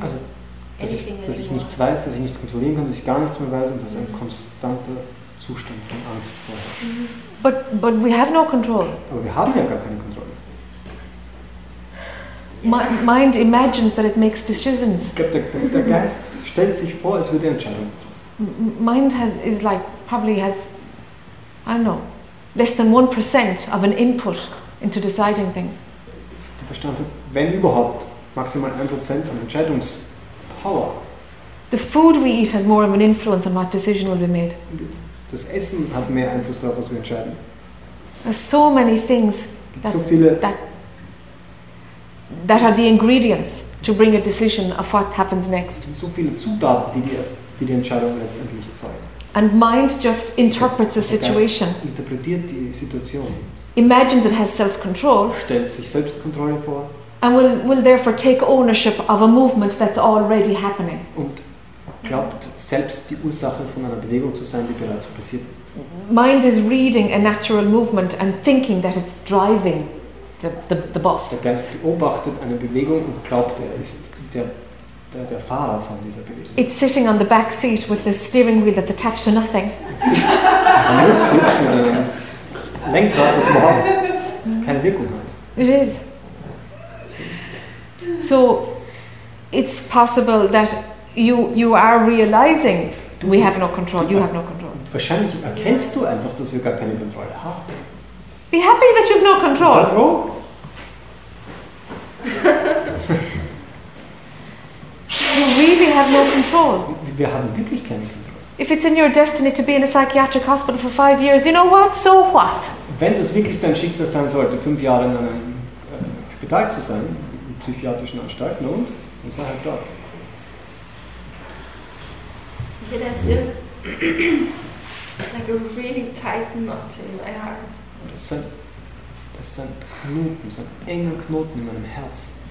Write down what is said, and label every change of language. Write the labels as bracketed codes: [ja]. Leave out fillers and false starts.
[de] Also, Dass ich nichts weiß, dass ich nichts kontrollieren kann, dass ich gar nichts mehr weiß und dass ein konstanter Zustand von Angst vorherrscht. [en] But we have no control. [de] Aber wir haben ja gar keine Kontrolle. [en] Mind imagines that it makes decisions. [de] Ich glaube, der Geist stellt sich vor, es würde Entscheidungen treffen. [en] Mind has I don't know, less than 1% of an input into deciding things. [de] Der Verstand hat, wenn überhaupt, maximal 1% an Entscheidungs Power. [en] The food we eat has more of an influence on what decision will be made. [de] Das Essen hat mehr Einfluss darauf, was wir entscheiden. [en] There's so many things that, [de] so viele, [en] that are the ingredients to bring a decision of what happens next. [de] So viele Zutaten, die die Entscheidung letztendlich erzeugen. [en] And mind just interprets the situation. [de] Interpretiert die Situation. [en] Imagines it has self-control. [de] Stellt sich Selbstkontrolle vor. [en] And will therefore take ownership of a movement that's already happening. [de] Und glaubt selbst die Ursache von einer Bewegung zu sein, die bereits passiert ist. [en] Mind is reading a natural movement and thinking that it's driving the bus. [de] Der Geist beobachtet eine Bewegung und glaubt, er ist der Fahrer von dieser Bewegung. [en] It's sitting on the back seat with the steering wheel that's attached to nothing. [de] Sitzt mit einem Lenkrad, das überhaupt keine Wirkung hat. [en] It is. So, it's possible that you are realizing we have no control. You have no control. [de] Wahrscheinlich erkennst du einfach, dass wir gar keine Kontrolle haben. [en] Be happy that you have no control. [de] Sei froh. [en] You really have no control. [de] Wir haben wirklich keine Kontrolle. [en] If it's in your destiny to be in a psychiatric hospital for 5 years, you know what? So what? [de] Wenn das wirklich dein Schicksal sein sollte, 5 Jahre in einem Spital zu sein. Psychiatrischen Anstalten und sei halt dort. [en] Yeah, still, like a really tight knot in my heart. [de] Das sind Knoten, so enge Knoten in meinem Herz.